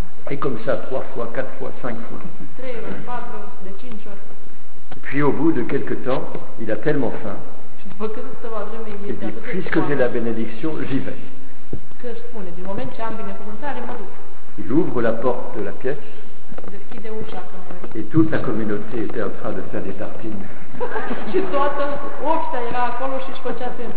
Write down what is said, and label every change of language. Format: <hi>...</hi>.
<fr>Et comme ça, trois fois, quatre fois, cinq fois. Et puis au bout de quelques temps, il a tellement faim. Il dit, puisque j'ai la bénédiction, j'y vais.</fr> <ro>Că spune, din moment ce am binecuvântare, mă duc.</ro> <fr>Il ouvre la porte de la pièce.</fr> <ro>Deschide ușa cămării.</ro> <fr>Et toute la communauté était en train de faire des tartines.</fr> <ro>Și toată oștia era acolo și își făcea</ro>